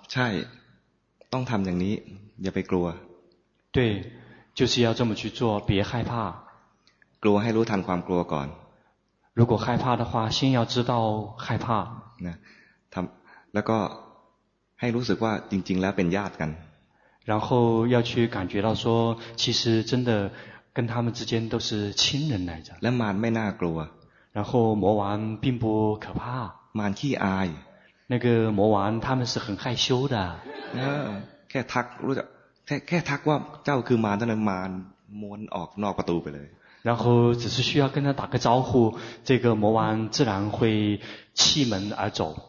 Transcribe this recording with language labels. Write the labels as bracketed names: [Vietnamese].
[Thai] ใช่ต้องทำอย่างนี้อย่าไปกลัว [Chinese] 对就是要这么去做别害怕 [Thai] กลัวให้รู้ทันความกลัวก่อน [Chinese] 如果害怕的话先要知道害怕 [Thai] นะทำแล้วก็ให้รู้สึกว่าจริงๆแล้วเป็นญาติกัน [Chinese] 然后要去感觉到说其实真的跟他们之间都是亲人来着 [Thai] และมารไม่น่ากลัว [Chinese] 然后魔王并不可怕。 [Thai] มันขี้อาย [Chinese] 那个魔王他们是很害羞的。 [Thai] แค่ทักรู้จักแค่ทักว่าเจ้าคือมารท่านนั้นมารม้วนออกนอกประตูไปเลย [Chinese] 然后只是需要跟他打个招呼，这个魔王自然会弃门而走。